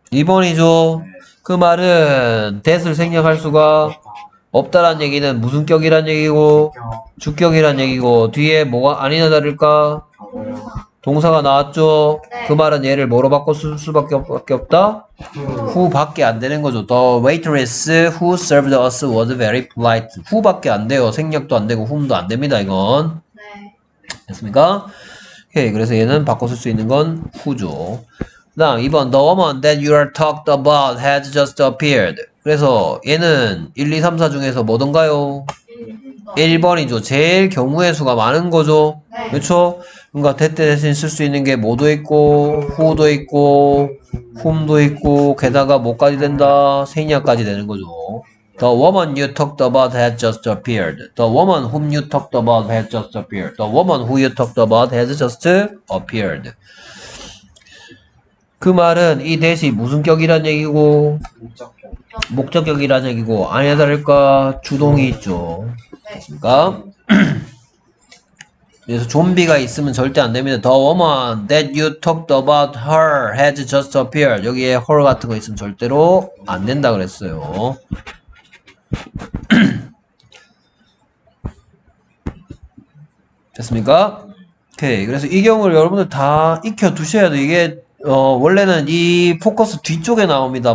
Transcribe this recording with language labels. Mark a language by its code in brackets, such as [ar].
[ko] 2번이죠. 네. 그 말은 that을 생략할 수가 없다란 얘기는 무슨 격이란 얘기고 주격이란 얘기고 뒤에 뭐가 아니나 다를까? 동사가 나왔죠. 네. 그 말은 얘를 뭐로 바꿔 쓸 수밖에 없다? who밖에 안 되는 거죠. [en] The waitress who served us was very polite. [ko] who밖에 안 돼요. 생략도 안 되고 whom도 안 됩니다. 이건. 네. 됐습니까? 오케이. 그래서 얘는 바꿔 쓸 수 있는 건 who죠. 다음 2번 [en] The woman that you are talked about has just appeared. [ko] 그래서 얘는 1, 2, 3, 4 중에서 뭐던가요? 1번이죠. 제일 경우의 수가 많은 거죠. 네. 그쵸? 뭔가 대때 대신 쓸 수 있는 게 뭐도 있고 후도 있고 훔도 있고 게다가 뭐까지 된다? 생략까지 되는 거죠. [en] The woman you talked about has just appeared. The woman whom you talked about has just appeared. The woman who you talked about has just appeared. [ko] 그 말은 이 대시 무슨 격이란 얘기고 목적격. 목적격이란 얘기고 아니야 다를까 주동이 있죠. 그러니까 그래서 좀비가 있으면 절대 안 됩니다. [en] The woman that you talked about her has just appeared. [ko] 여기에 her 같은 거 있으면 절대로 안 된다 그랬어요. 됐습니까? 오케이. 그래서 이 경우를 여러분들 다 익혀 두셔야 돼. 이게 원래는 이 포커스 뒤쪽에 나옵니다.